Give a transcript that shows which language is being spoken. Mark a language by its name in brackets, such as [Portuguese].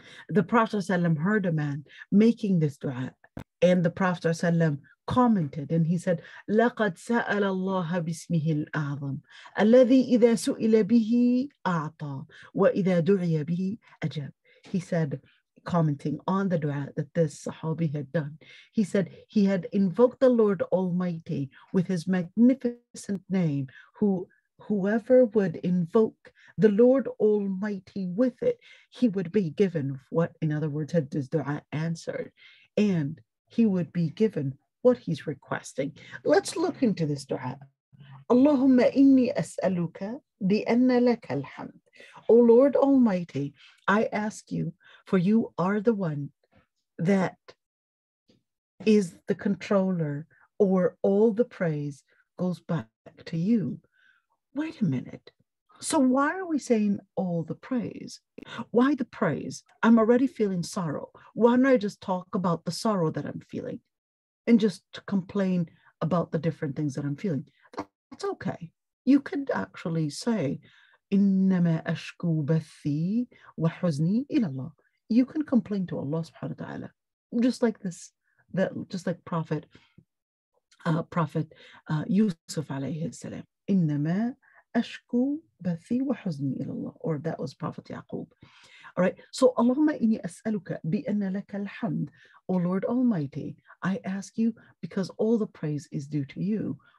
[English] The Prophet ﷺ heard a man making this dua, and the Prophet ﷺ commented, and he said, [Arabic] لقد سأل الله باسمه الأعظم الذي إذا سئل به أعطى وإذا دعي به أجاب. [English] He said, commenting on the dua that this Sahabi had done, he said he had invoked the Lord Almighty with his magnificent name. Whoever would invoke the Lord Almighty with it, he would be given what, in other words, had this dua answered, and he would be given what he's requesting. Let's look into this dua. [Arabic] Allahumma inni as'aluka bi anna laka alhamd. [English] O Lord Almighty, I ask you, for you are the one that is the controller, or all the praise goes back to you. Wait a minute. So why are we saying all the praise? Why the praise? I'm already feeling sorrow. Why don't I just talk about the sorrow that I'm feeling and just complain about the different things that I'm feeling? That's okay. You could actually say, [Arabic] إِنَّمَا أَشْكُو بَثِّي وَحُزْنِي إِلَى اللَّهِ. [English] You can complain to Allah subhanahu wa ta'ala, just like this, that just like Prophet Yusuf alayhi salam. [Arabic] Innama ashku bathi wa huzni ila Allah, [English] or that was Prophet Yaqub. All right. So [Arabic] Allahumma inni as'aluka bi anna laka alhamd, [English] O Lord Almighty, I ask you because all the praise is due to you.